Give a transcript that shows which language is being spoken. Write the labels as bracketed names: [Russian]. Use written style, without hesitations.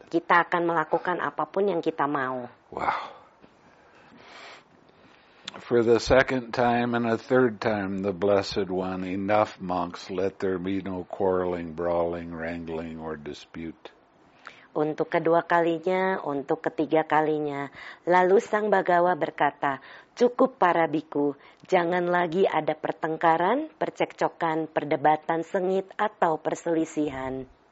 [Indonesian] Kita akan melakukan apapun yang kita mau. Wow. [English] For the second time and a third time, the Blessed One, "Enough, monks, let there be no quarreling, brawling, wrangling, or dispute." [Indonesian] Untuk kedua kalinya, untuk ketiga kalinya, lalu Sang Bhagawa berkata, "Cukup para biku, jangan lagi ada pertengkaran, percekcokan, perdebatan sengit, atau perselisihan."